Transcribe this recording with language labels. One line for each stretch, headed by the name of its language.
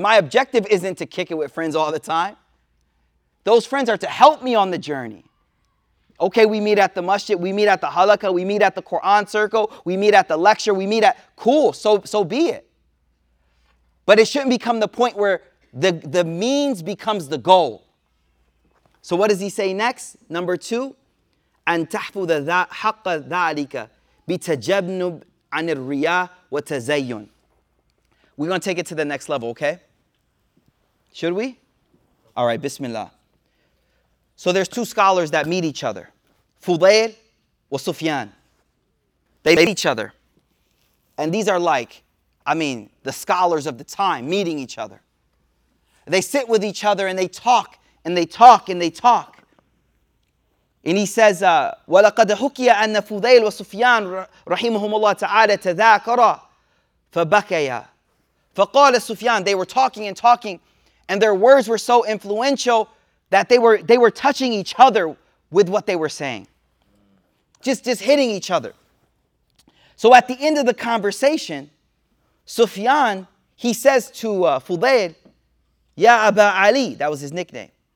English: My objective isn't to kick it with friends all the time. Those friends are to help me on the journey. Okay, we meet at the masjid, we meet at the halakha, we meet at the Quran circle, we meet at the lecture, we meet at, cool, so be it. But it shouldn't become the point where the means becomes the goal. So what does he say next? Number two,
Arabic: أن تحفظ حق ذلك بتجنب عن الرياء وتزين.
English: We're going to take it to the next level, okay? Should we? All right, Bismillah. So there's two scholars that meet each other. Fudayl and Sufyan. They meet each other. And these are like, I mean, the scholars of the time meeting each other. They sit with each other and they talk and they talk and they talk. And he says,
Arabic: وَلَقَدْ حُكِيَ أَنَّ فُضَيْلْ وَسُفْيَانْ رَحِيمُهُمُ اللَّهِ تَعَالَى تَذَاكَرَ فَبَكَيَا فَقَالَ سُفْيَانْ.
English: They were talking and talking, and their words were so influential that they were touching each other with what they were saying. Just hitting each other. So at the end of the conversation, Sufyan, he says to Fudayl, Ya Aba Ali, that was his nickname.